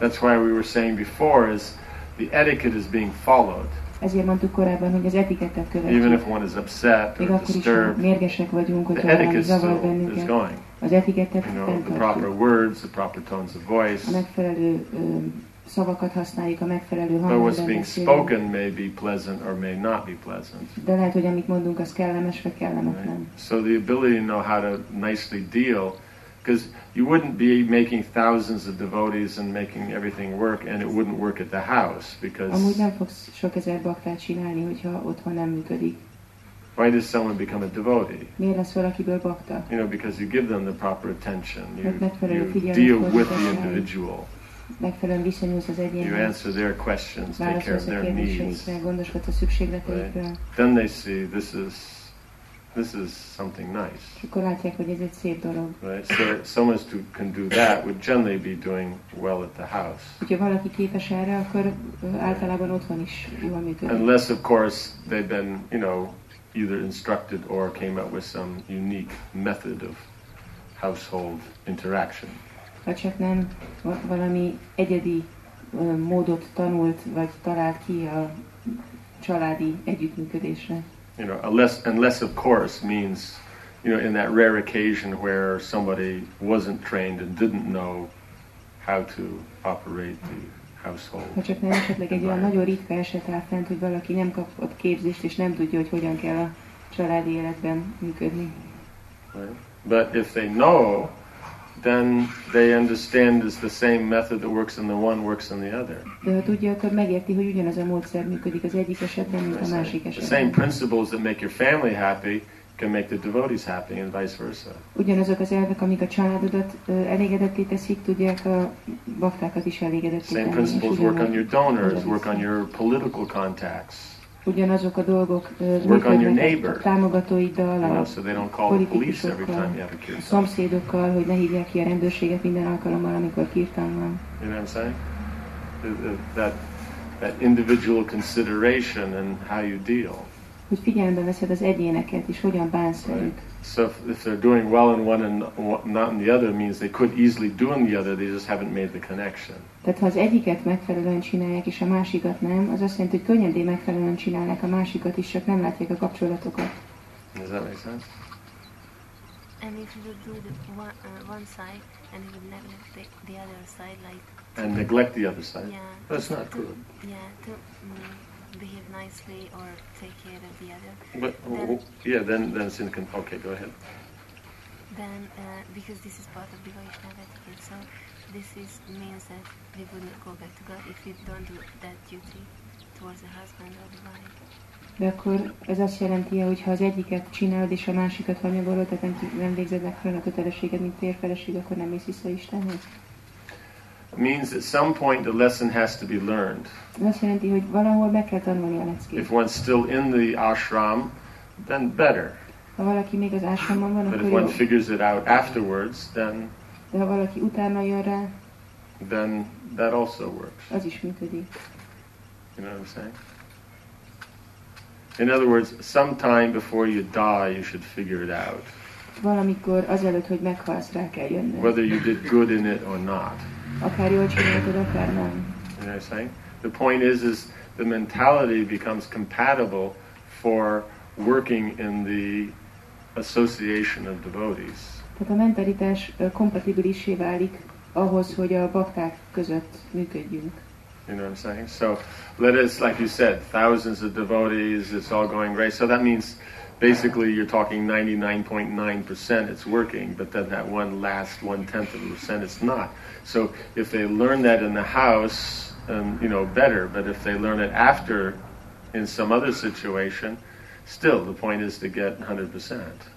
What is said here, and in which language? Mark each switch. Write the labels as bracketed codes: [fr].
[en] That's why we were saying before is the etiquette is being followed. [hu] Ezért mondtuk korábban, hogy az etikettet követjük. [en] Even if one is upset or disturbed, [hu] akkor is mérgesek vagyunk, hogy [en] the etiquette still is going. [hu] Az etikettet fenntartjuk. [en] You know, the proper words, the proper tones of voice. [hu] A megfelelő szavakat használjuk, a megfelelő hangot. [en] But what's being spoken may be pleasant or may not be pleasant. [hu] De lehet, hogy amit mondunk, az kellemes vagy kellemetlen. [en] Right. So the ability to know how to nicely deal, because you wouldn't be making thousands of devotees and making everything work, and it wouldn't work at the house because. [hu] Amúgy nem fogsz sok ezer baktát csinálni, hogyha otthon nem működik. [en] Why does someone become a devotee? [hu] Miért lesz valakiből bakta? [en] You know, because you give them the proper attention. You deal with the individual. [hu] Megfelelően viszonyulsz az egyénhez. [en] You answer their questions, take care of their needs. [hu] Gondoskodsz a szükségleteikről. [en] Then they see this is something nice. [hu] Akkor látják, hogy ez egy szép dolog. [en] Right, so someone who can do that would generally be doing well at the house. [hu] Hogyha valaki képes erre, akkor általában otthon is jól működik. [en] Unless, of course, they've been, you know, either instructed or came up with some unique method of household interaction. [hu] Ha csak nem valami egyedi módot tanult, vagy talált ki a családi együttműködésre. [en] You know, unless of course means, you know, in that rare occasion where somebody wasn't trained and didn't know how to operate the household. [hu] Ha csak nem esetleg egy olyan nagyon ritka eset áll fent, hogy valaki nem kapott képzést, és nem tudja, hogy hogyan kell a családi életben működni. [en] Right. But if they know, then they understand it's the same method that works in the one works in the other. [hu] De ha tudja, akkor megérti, hogy ugyanaz a módszer működik az egyik esetben, mint a másik esetben. [en] The same principles that make your family happy can make the devotees happy and vice versa. [hu] Ugyanazok az elvek, amik a családodat elégedetté teszik, tudják a baktákat is elégedetté tenni. [en] Same principles work on your donors, work on your political contacts. [hu] Ugyanazok a dolgok működnek a támogatóiddal, a politikusokkal, a szomszédokkal, hogy ne hívják ki a rendőrséget minden alkalommal, amikor kirtan van. [en] You know what I'm saying? That individual consideration and how you deal. [hu] Hogy figyelembe veszed az egyéneket, és hogyan bánsz velük. [en] So if they're doing well in one and not in the other, means they could easily do in the other, they just haven't made the connection. [hu] Tehát ha az egyiket megfelelően csinálják, és a másikat nem, az azt jelenti, hogy könnyedén megfelelően csinálják a másikat is, csak nem látják a kapcsolatokat. [en] Does that make sense? And if you would do the one side and you would neglect the other side, like... And neglect the other side? Yeah. That's not to, good. Yeah, to behave nicely or take care of the other. But, then it's in the... Okay, go ahead. Then, because this is part of the Vaishnava etiquette, so this is means that we wouldn't go back to God if we don't do that duty towards the husband or the wife. [hu] De akkor ez azt jelenti, hogy ha az egyiket csinálod és a másikat hanyagolod, tehát nem végzed meg fel a kötelességed, mint térfeleség, akkor nem mész vissza Istenhez. [en] Means at some point the lesson has to be learned. [hu] Azt jelenti, hogy valahol meg kell tanulni a leckét. [en] If one's still in the ashram, then better. [hu] Ha valaki még az ashramon van, [en] but [hu] akkor [en] if one figures it out afterwards, then. [hu] De ha valaki utána jön rá, [en] then that also works. [hu] Az is működik. [en] You know what I'm saying? In other words, sometime before you die, you should figure it out. [hu] Valamikor azelőtt, hogy meghalsz, rá kell jönni. [en] Whether you did good in it or not. [hu] Akár jól csináltad, akár nem. [en] You know what I'm saying? The point is the mentality becomes compatible for working in the association of devotees. [hu] Tehát a mentalitás kompatibilissé válik ahhoz, hogy a bakták között működjünk. [en] You know what I'm saying? So, let us, like you said, thousands of devotees, it's all going great. So that means, basically, you're talking 99.9% it's working, but then that one last 0.1% it's not. So, if they learn that in the house, you know, better, but if they learn it after, in some other situation, still, the point is to get 100%.